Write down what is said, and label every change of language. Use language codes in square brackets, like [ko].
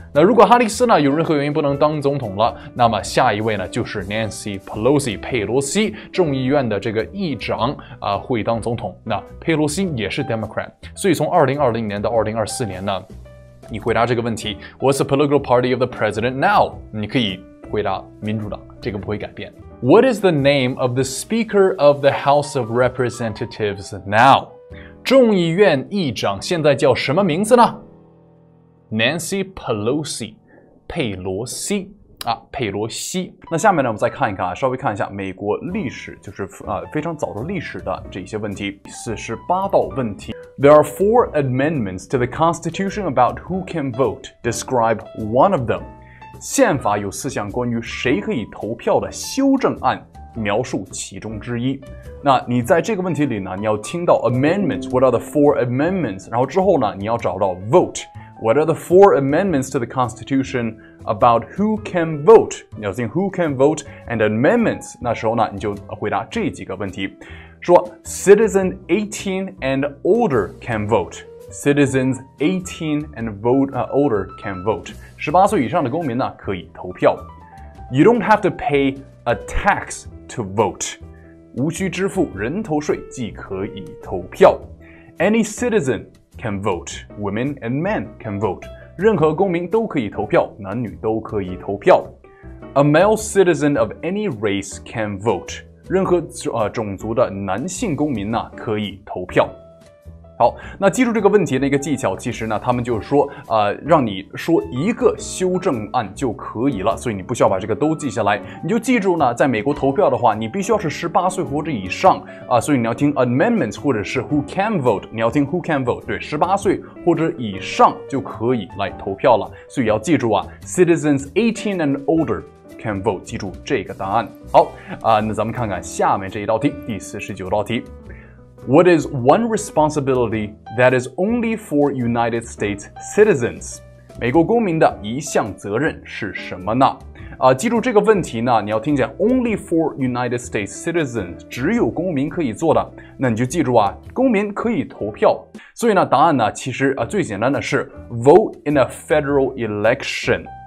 [zh] 那如果哈里斯呢有任何原因不能当总统了，那么下一位呢就是 Nancy Pelosi 佩洛西，众议院的这个议长会当总统。那佩洛西也是 Democrat， 所以从2020年到2024年呢，你回答这个问题 [en] What's the political party of the president now？ [zh] 你可以回答民主党，这个不会改变。 [en] What is the name of the Speaker of the House of Representatives now? [zh] 众议院议长现在叫什么名字呢？ Nancy Pelosi， 佩罗西。佩罗西。那下面呢，我们再看一看，稍微看一下美国历史，就是非常早的历史的这些问题。 48道问题。 [en] There are 4 amendments to the Constitution about who can vote. Describe one of them. [zh] 宪法有四项关于谁可以投票的修正案，描述其中之一。那你在这个问题里呢，你要听到 amendments， [en] what are the 4 amendments， [zh] 然后之后呢，你要找到 vote， [en] what are the 4 amendments to the constitution about who can vote， [zh] 你要听 [en] who can vote and amendments， [zh] 那时候呢，你就回答这几个问题，说 [en] citizen 18 and older can voteCitizens 18 and older can vote. [zh] 18岁以上的公民呢可以投票。 [en] You don't have to pay a tax to vote. [zh] 无需支付人头税即可以投票。 [en] Any citizen can vote. Women and men can vote. [zh] 任何公民都可以投票，男女都可以投票。 [en] A male citizen of any race can vote. [zh] 任何种族的男性公民呢可以投票。好，那记住这个问题的一个技巧，其实呢，他们就是说，让你说一个修正案就可以了，所以你不需要把这个都记下来，你就记住呢，在美国投票的话，你必须要是18岁或者以上，所以你要听 amendments 或者是 [en] who can vote， [zh] 你要听 who can vote， 对，18岁或者以上就可以来投票了，所以要记住啊， [en] citizens 18 and older can vote， [zh] 记住这个答案。好，那咱们看看下面这一道题，第49道题。 [en] What is one responsibility that is only for United States citizens? [zh] 美国公民的一项责任是什么呢？记住这个问题呢，你要听见 [en] only for United States citizens， [zh] 只有公民可以做的。那你就记住啊，公民可以投票。所以呢，答案呢，其实最简单的是 [en] vote in a federal election。